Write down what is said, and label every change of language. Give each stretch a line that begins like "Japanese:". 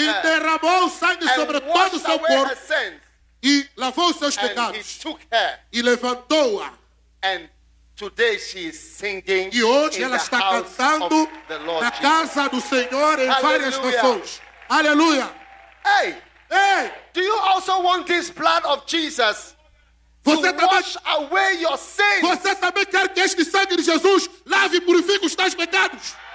Portuguese: E derramou o sangue sobre todo o seu corpo. E lavou seus pecados.
English: And he took her.
Portuguese: E levantou-a.
English: And today she is singing.
Portuguese: E hoje ela está cantando na casa do Senhor em várias nações. Aleluia. Hey. Hey.
English: Do you also want this blood of Jesus?
Portuguese: Você
English: to wash away your sins.
Portuguese: Você também quer que este sangue de Jesus lave e purifique os teus pecados?